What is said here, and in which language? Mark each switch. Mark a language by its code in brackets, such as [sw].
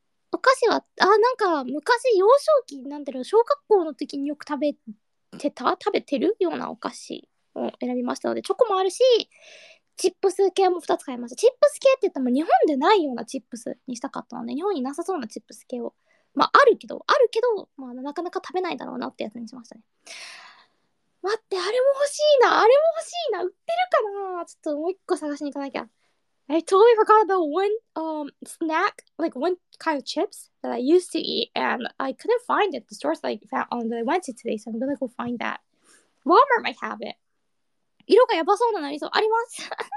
[ja] お菓子は、あ、なんか、昔、幼少期、なんだろう、小学校の時によく食べてるようなお菓子を選びましたので、チョコもあるし、チップス系も2つ買いました。チップス系って言っても、日本でないようなチップスにしたかったので、日本になさそうなチップス系を。まあ、あるけど、まあ、なかなか食べないだろうなってやつにしましたね。待って、あれも欲しいな、売ってるかな？ちょっともう一個探しに行かなきゃ。 [en] I totally forgot about one snack, like one kind of chips that I used to eat, and I couldn't find it at the stores that I went to today, so I'm gonna go find that. Walmart might have it. [ja] 色がやばそうななりそう。あります。